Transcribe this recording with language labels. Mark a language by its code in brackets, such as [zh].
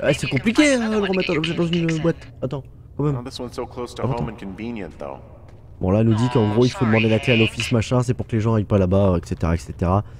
[fr] Ah, c'est compliqué de remettre l'objet dans une boîte. Attends, quand même. [en] This one's so close to home and convenient, though. [fr] Bon, là, elle nous dit qu'en gros, il faut demander la clé à l'office, machin, c'est pour que les gens aillent pas là-bas, etc., etc.